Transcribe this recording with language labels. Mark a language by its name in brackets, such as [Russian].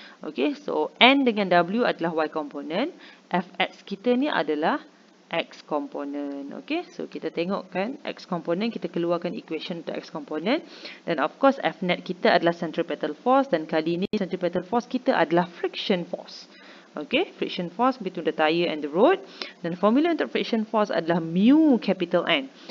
[Malay] Okay, so N dengan W adalah Y component, Fx kita ni adalah X component. Okay, so kita tengokkan X component, kita keluarkan equation untuk X component. Dan of course, F net kita adalah centripetal force dan kali ini centripetal force kita adalah friction force. [English] Okay, friction force between the tyre and the road. [Malay] Dan formula untuk friction force adalah mu capital N.